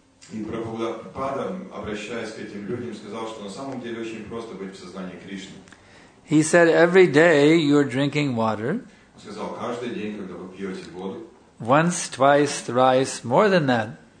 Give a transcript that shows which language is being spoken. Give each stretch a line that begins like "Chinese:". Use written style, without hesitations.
Russian: И Прабхупада, обращаясь к этим людям, сказал, что на самом деле очень просто быть в сознании Кришны.
English: He said, every day you're drinking water.
Russian: Он сказал, каждый день, когда вы пьете воду.
English: Once, twice, thrice, more than that.